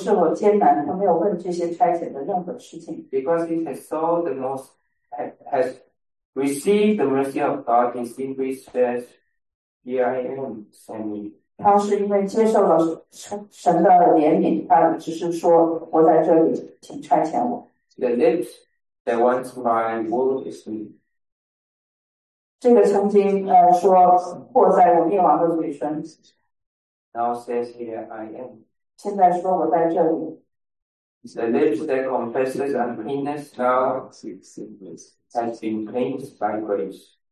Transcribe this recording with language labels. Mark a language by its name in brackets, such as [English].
[Chinese] 他没有问神这些过程和这些所有的代价，或是否艰难，他没有问这些差遣的任何事情。 [English] Because he has saw the most, has received the mercy of God, he simply says, "Here I am, send me." [Chinese] 他是因为接受了神的怜悯，他只是说：“我在这里，请差遣我。” [English] The lips that once cried, "Woe is me." [Chinese] 这个曾经说：“祸在我，灭亡的嘴唇。” [English] Now says, "Here I am." [Chinese] 现在说：“我在这里。” [English] The lips that confesses uncleanness now has been cleansed by grace.